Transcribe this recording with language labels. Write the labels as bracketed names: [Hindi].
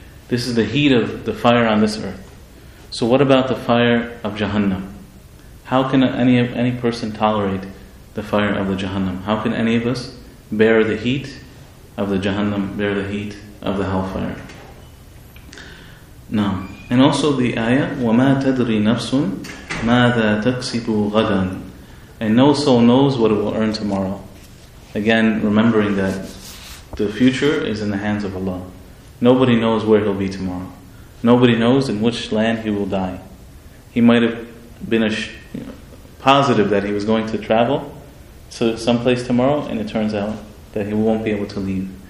[English] This is the heat of the fire on this earth. So what about the fire of Jahannam? How can any person tolerate the fire of the Jahannam? How can any of us bear the heat of the Jahannam, bear the heat of the hellfire? No. And also the ayah, [Arabic] وَمَا تَدْرِي نَفْسٌ مَاذَا تَكْسِبُ غَدًا. [English] And no soul knows what it will earn tomorrow. Again, remembering that the future is in the hands of Allah. Nobody knows where he'll be tomorrow. Nobody knows in which land he will die. He might have been positive that he was going to travel to some place tomorrow, and it turns out that he won't be able to leave.